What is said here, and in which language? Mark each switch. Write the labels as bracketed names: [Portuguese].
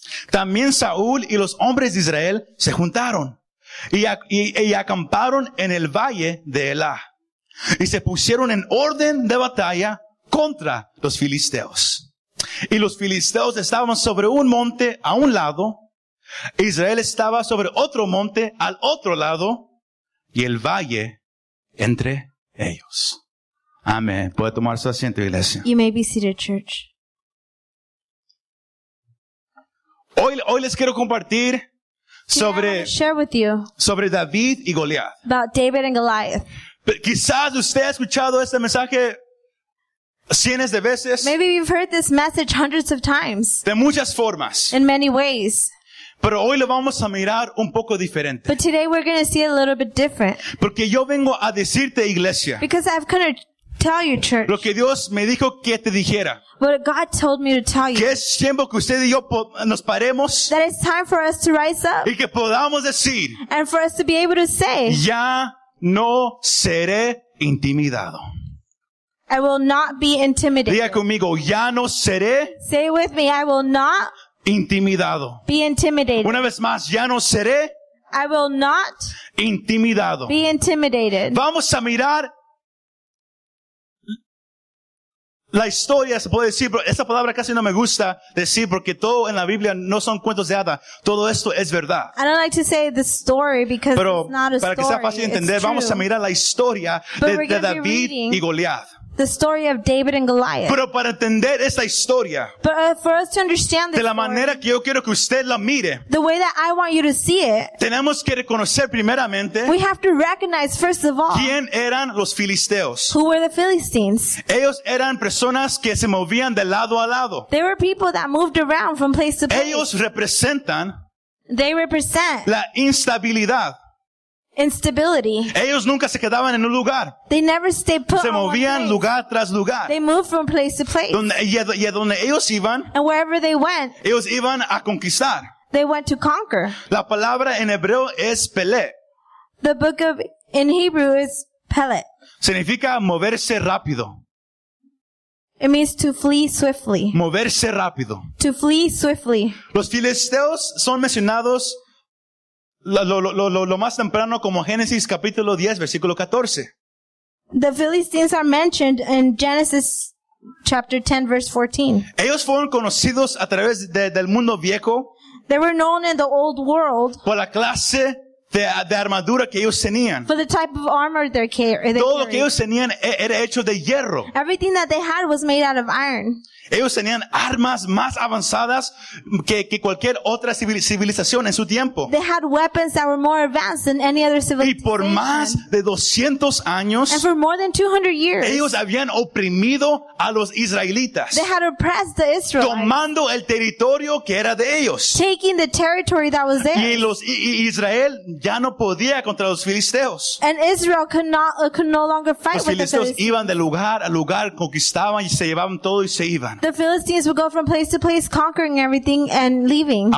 [Spanish] También Saúl y los hombres de Israel se juntaron y acamparon en el valle de Elá y se pusieron en orden de batalla contra los filisteos. Y los filisteos estaban sobre un monte a un lado, Israel estaba sobre otro monte al otro lado, y el valle entre ellos. Amén. Puede tomar su asiento, iglesia. [English] You may be seated, church. [Spanish] Hoy les quiero compartir sobre, [English] today I want to share with you [Spanish] sobre David y Goliat. [English] About David and Goliath. [Spanish] Pero quizás usted ha escuchado este mensaje cientos de veces. [English] Maybe you've heard this message hundreds of times. [Spanish] De muchas formas. [English] In many ways. [Spanish] Pero hoy lo vamos a mirar un poco diferente. [English] But today we're going to see a little bit different. [Spanish] Porque yo vengo a decirte, iglesia. [English] Because I've come to tell you, church. [Spanish] Lo que Dios me dijo que te dijera. [English] What God told me to tell you. [Spanish] Que es tiempo que usted y yo nos paremos. [English] That it's time for us to rise up. [Spanish] Y que podamos decir. [English] And for us to be able to say. [Spanish] Ya no seré intimidado. [English] I will not be intimidated. [Spanish] Diga conmigo, ya no seré. [English] Say with me, I will not. [Spanish] Intimidado. [English] Be intimidated. [Spanish] Una vez más, ya no seré. [English] I will not. [Spanish] Intimidado. [English] Be intimidated. [Spanish] Vamos a mirar la historia, se puede decir, pero esa palabra casi no me gusta decir porque todo en la Biblia no son cuentos de hadas. Todo esto es verdad. [English] I don't like to say the story because [Spanish] pero [English] it's not a story. [Spanish] Pero para que sea fácil [English] it's [Spanish] entender, [English] true. [Spanish] Vamos a mirar la historia de David y Goliat. [English] The story of David and Goliath. [Spanish] Pero para entender esa historia. [English] But for us to understand this [Spanish] de la manera [English] story, [Spanish] que yo quiero que usted la mire. [English] The way that I want you to see it. [Spanish] Tenemos que reconocer primeramente. [English] We have to recognize first of all. [Spanish] ¿Quién eran los filisteos? [English] Who were the Philistines? [Spanish] Ellos eran personas que se movían de lado a lado. [English] They were people that moved around from place to place. [Spanish] Ellos representan. [English] They represent. [Spanish] La instabilidad. [English] Instability. [Spanish] Ellos nunca se quedaban en un lugar. [English] They never stayed put. [Spanish] Se movían lugar tras lugar. [English] They moved from place to place. [Spanish] Donde ellos iban. [English] And wherever they went. [Spanish] Ellos iban a conquistar. [English] They went to conquer. [Spanish] La palabra en hebreo es pelet. [English] The book of in Hebrew is pelet. [Spanish] Significa moverse rápido. [English] It means to flee swiftly. [Spanish] Moverse rápido. [English] To flee swiftly. [Spanish] Los filisteos son mencionados lo más temprano como Génesis capítulo 10 versículo 14. [English] The Philistines are mentioned in Genesis chapter 10 verse 14. [Spanish] Ellos fueron conocidos a través del mundo viejo. [English] They were known in the old world. [Spanish] Por la clase de armadura que ellos tenían. [English] For the type of armor they carried. [Spanish] Todo lo que ellos tenían era hecho de hierro. [English] Everything that they had was made out of iron. [Spanish] Ellos tenían armas más avanzadas que cualquier otra civilización en su tiempo. [English] They had weapons that were more advanced than any other civilization. [Spanish] Y por más de 200 años, [English] and for more than 200 years, [Spanish] ellos habían oprimido a los israelitas. [English] They had oppressed the Israelites. [Spanish] Tomando el territorio que era de ellos. [English] Taking the territory that was theirs. [Spanish] Y Israel ya no podía contra los filisteos. [English] And Israel could no longer fight with the Philistines. [Spanish] Los filisteos iban de lugar a lugar, conquistaban y se llevaban todo y se iban. [English] The Philistines would go from place to place, conquering everything and leaving.